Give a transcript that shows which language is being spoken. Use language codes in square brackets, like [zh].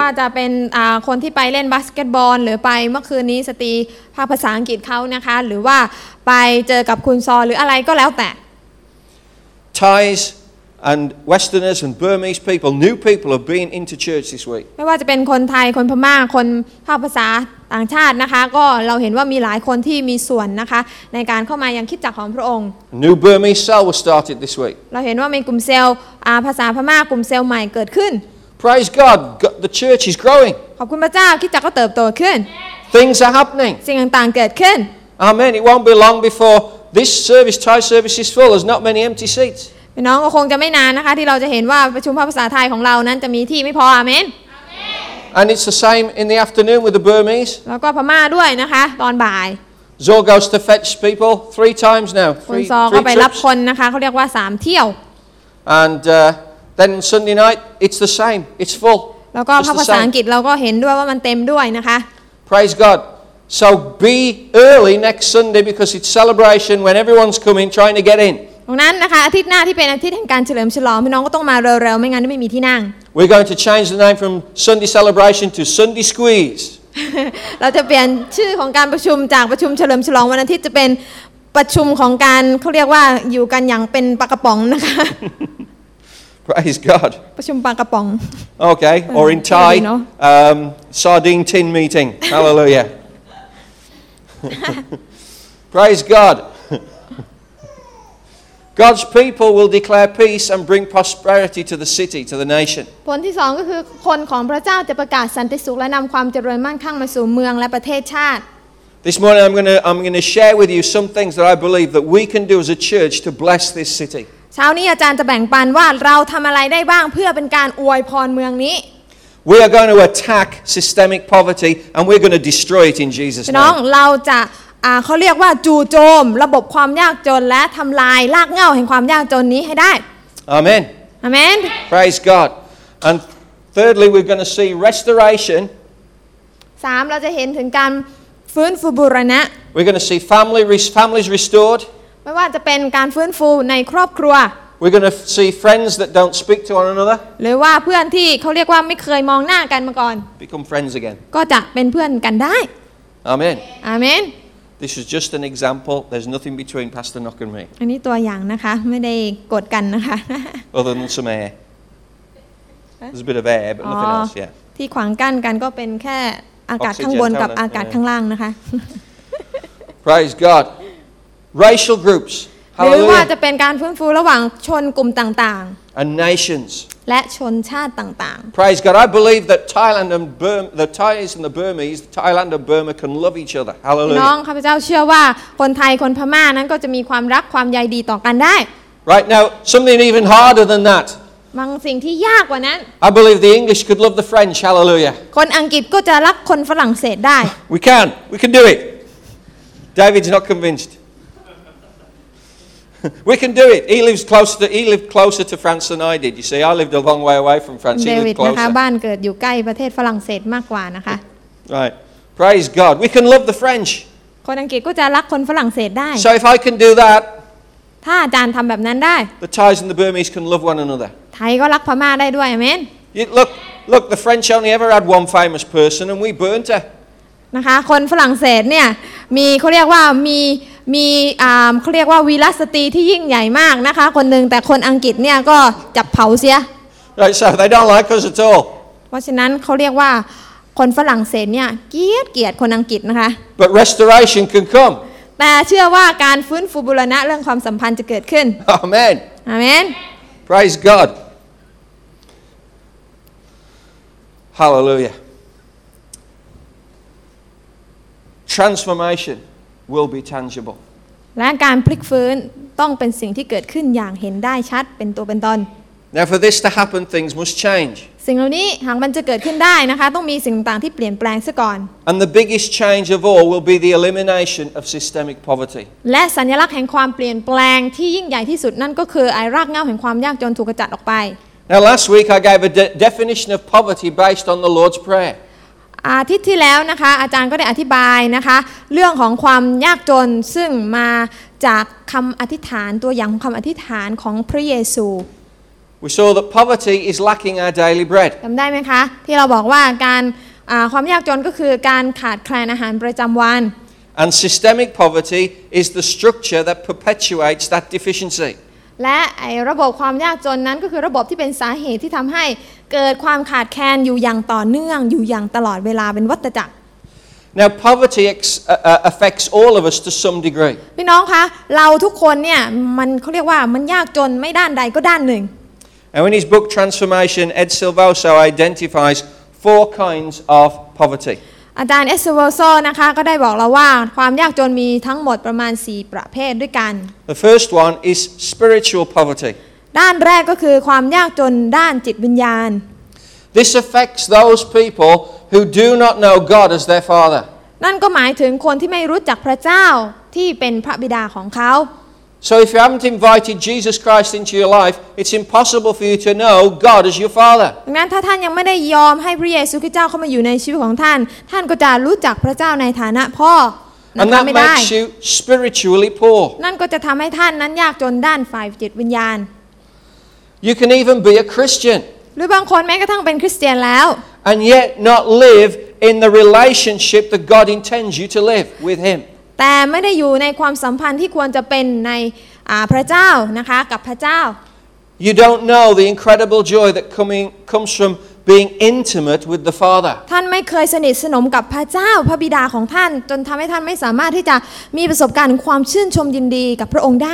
[th] ว่าจะเป็นคนที่ไปเล่นบาสเกตบอลหรือไปเมื่อคืนนี้สตรีภาคภาษาอังกฤษเขานะคะหรือว่าไปเจอกับคุณซอหรืออะไรก็แล้วแต่ [en] Thais and Westerners and Burmese people new people have been into church this week [th] ไม่ว่าจะเป็นคนไทยคนพม่าคนภาคภาษาต่างชาตินะคะก็เราเห็นว่ามีหลายคนที่มีส่วนนะคะในการเข้ามายังคิดจักรของพระองค์ [en] New Burmese cell was started this week [th] เราเห็นว่ามีกลุ่มเซลล์ภาษาพม่ากลุ่มเซลล์ใหม่เกิดขึ้น [en] Praise God the church is growing [th] ขอบคุณพระเจ้าคิดจักรก็เติบโตขึ้น [en] Things are happening [th] สิ่งต่างๆเกิดขึ้น [en] Amen it won't be long before this service Thai service is full there's not many empty seats [th] พี่น้องก็คงจะไม่นานนะคะที่เราจะเห็นว่าประชุมภาษาไทยของเรานั้นจะมีที่ไม่พออาเมน [en] And it's the same in the afternoon with the Burmese. [th] แล้วก็พม่าด้วยนะคะตอนบ่าย [en] Zor goes to fetch people three times now. [th] คุณซอก็ไปรับคนนะคะเขาเรียกว่า3เที่ยว [en] And then Sunday night it's the same. It's full. [th] แล้วก็ภาษาอังกฤษเราก็เห็นด้วยว่ามันเต็มด้วยนะคะ [en] Praise God. So be early next Sunday because it's celebration when everyone's coming trying to get in. [th] ดังนั้นนะคะอาทิตย์หน้าที่เป็นอาทิตย์แห่งการเฉลิมฉลองพี่น้องก็ต้องมาเร็วๆไม่งั้นไม่มีที่นั่ง [en] We're going to change the name from Sunday celebration to Sunday squeeze [th] เราจะเปลี่ยนชื่อของการประชุมจากประชุมเฉลิมฉลองวันอาทิตย์จะเป็นประชุมของการเขาเรียกว่าอยู่กันอย่างเป็นปากกระป๋องนะคะ [en] Praise God [th] ประชุมปากกระป๋อง [en] Okay or in Thai sardine tin meeting Hallelujah Praise God God's people will declare peace and bring prosperity to the city to the nation [th] ผลที่2ก็คือคนของพระเจ้าจะประกาศสันติสุขและนำความเจริญมั่งคั่งมาสู่เมืองและประเทศชาติ [en] This morning I'm going to share with you some things that I believe that we can do as a church to bless this city [th] เช้านี้อาจารย์จะแบ่งปันว่าเราทำอะไรได้บ้างเพื่อเป็นการอวยพรเมืองนี้ [en] We are going to attack systemic poverty and we're going to destroy it in Jesus' name. [th] น้องเราจะเขาเรียกว่าจู่โจมระบบความยากจนและทำลายรากเหง้าแห่งความยากจนนี้ให้ได้ [en] Amen. Amen. Praise God. And thirdly, we're going to see restoration. [th] 3 เราจะเห็นถึงการฟื้นฟูบูรณะ [en] We're going to see families restored. [th] ไม่ว่าจะเป็นการฟื้นฟูในครอบครัว [en] We're going to see friends that don't speak to one another. [th] หรือว่าเพื่อนที่เขาเรียกว่าไม่เคยมองหน้ากันมาก่อน [en] Become friends again. [th] ก็จะเป็นเพื่อนกันได้ [en] Amen. Amen. This is just an example. There's nothing between Pastor Nock and me. [th] อันนี้ตัวอย่างนะคะไม่ได้กดกันนะคะ [en] Other than some air. There's a bit of air, but nothing else. Yeah. [th] ที่ขวางกั้นกันก็เป็นแค่อากาศข้างบนกับอากาศข้างล่างนะคะ [en] Praise God. Racial groups. [th] หรือว่าจะเป็นการฟื้นฟูระหว่างชนกลุ่มต่าง [en] ๆ and nations [th] และชนชาติต่าง [en] ๆ Praise God I believe that Thailand and Burma the Thais and the Burmese the Thailand and Burma can love each other Hallelujah [th] น้องข้าพเจ้าเชื่อว่าคนไทยคนพม่านั้นก็จะมีความรักความใยดีต่อกันได้ [en] Right now something even harder than that [th] บางสิ่งที่ยากกว่านั้น [en] I believe the English could love the French Hallelujah [th] คนอังกฤษก็จะรักคนฝรั่งเศสได้ [en] We can do it David's not convincedWe can do it. He lived closer to France than I did. You see, I lived a long way away from France. David, he lived closer. [th] บ้านเกิดอยู่ใกล้ประเทศฝรั่งเศสมากกว่านะคะ [en] Right. Praise God. We can love the French. [th] คนอังกฤษก็จะรักคนฝรั่งเศสได้ [en] So if I can do that, [th] ถ้าอาจารย์ทำแบบนั้นได้ [en] The Thais and the Burmese can love one another. [th] ไทยก็รักพม่าได้ด้วย [en] Amen. Look. The French only ever had one famous person, and we burnt her. [th] นะคะคนฝรั่งเศสเนี่ยมีเขาเรียกว่ามีเขาเรียกว่าวีรสตรีที่ยิ่งใหญ่มากนะคะคนหนึ่งแต่คนอังกฤษเนี่ยก็จับเผาเสีย [en] Right, so they don't like us at all. [th] เพราะฉะนั้นเขาเรียกว่าคนฝรั่งเศสเนี่ยเกลียดคนอังกฤษนะคะ [en] But restoration can come. [th] แต่เชื่อว่าการฟื้นฟูบูรณะเรื่องความสัมพันธ์จะเกิดขึ้น [en] Amen. Amen. Praise God. Hallelujah. Transformation. Will be tangible. [th] และการพลิกฟื้นต้องเป็นสิ่งที่เกิดขึ้นอย่างเห็นได้ชัดเป็นตัวเป็นตน [en] Now for this to happen, things must change. [th] สิ่งเหล่านี้หากมันจะเกิดขึ้นได้นะคะต้องมีสิ่งต่างๆที่เปลี่ยนแปลงซะก่อน [en] And the biggest change of all will be the elimination of systemic poverty. [th] และสัญลักษณ์แห่งความเปลี่ยนแปลงที่ยิ่งใหญ่ที่สุดนั่นก็คือไอ้รากเหง้าแห่งความยากจนถูกขจัดออกไป [en] Now last week I gave a definition of poverty based on the Lord's Prayer. [th] อาทิตย์ที่แล้วนะคะอาจารย์ก็ได้อธิบายนะคะเรื่องของความยากจนซึ่งมาจากคำอธิษฐานตัวอย่างคำอธิษฐานของพระเยซู [en] We saw that poverty is lacking our daily bread [th] จำได้ไหมคะที่เราบอกว่าการความยากจนก็คือการขาดแคลนอาหารประจำวัน [en] And systemic poverty is the structure that perpetuates that deficiency [th] และระบบความยากจนนั้นก็คือระบบที่เป็นสาเหตุที่ทำใหเกิดความขาดแคลนอยู่อย่างต่อเนื่องอยู่อย่างตลอดเวลาเป็นวัฏจักร [en] Now poverty affects all of us to some degree [th] พี่น้องคะเราทุกคนเนี่ยมันเขาเรียกว่ามันยากจนไม่ด้านใดก็ด้านหนึ่ง [en] And in his book Transformation Ed Silvoso identifies four kinds of poverty [th] อาจารย์ Ed Silvoso นะคะก็ได้บอกเราว่าความยากจนมีทั้งหมดประมาณ4ประเภทด้วยกัน [en] The first one is spiritual poverty [th] ด้านแรกก็คือความยากจนด้านจิตวิญญาณ [en] This affects those people who do not know God as their father [th] นั่นก็หมายถึงคนที่ไม่รู้จักพระเจ้าที่เป็นพระบิดาของเขา [en] So if you haven't invited Jesus Christ into your life it's impossible for you to know God as your father [th] ดังนั้นถ้าท่านยังไม่ได้ยอมให้พระเยซูคริสต์เจ้าเข้ามาอยู่ในชีวิตของท่านท่านก็จะรู้จักพระเจ้าในฐานะพ่อ [en] And that makes you spiritually poor [th] นั่นก็จะทำให้ท่านนั้นยากจนด้านฝ่ายจิตวิญญาณ [en] You can even be a Christian. [th] หรือบางคนแม้กระทั่งเป็นคริสเตียนแล้ว [en] And yet not live in the relationship that God intends you to live with Him. [th] แต่ไม่ได้อยู่ในความสัมพันธ์ที่ควรจะเป็นในพระเจ้านะคะกับพระเจ้า [en] You don't know the incredible joy that comes from being intimate with the Father. [th] ท่านไม่เคยสนิทสนมกับพระเจ้าพระบิดาของท่านจนทำให้ท่านไม่สามารถที่จะมีประสบการณ์ความชื่นชมยินดีกับพระองค์ได